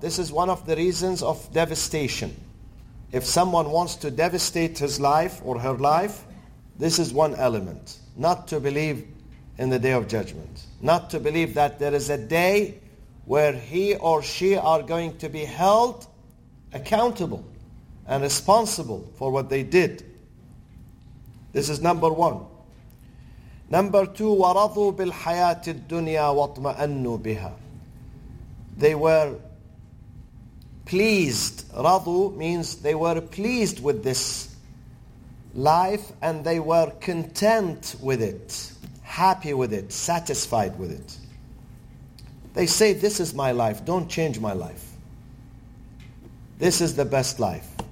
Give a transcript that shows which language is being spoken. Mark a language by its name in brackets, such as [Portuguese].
[English] This is one of the reasons of devastation. If someone wants to devastate his life or her life, this is one element. Not to believe in the day of judgment. Not to believe that there is a day where he or she are going to be held accountable and responsible for what they did. This is number one. Number two, [Arabic] وَرَضُوا بِالْحَيَاةِ الدُّنْيَا وَاطْمَأَنُّوا بِهَا. [English] They were pleased. Radu means they were pleased with this life and they were content with it, happy with it, satisfied with it. They say, this is my life, don't change my life. This is the best life.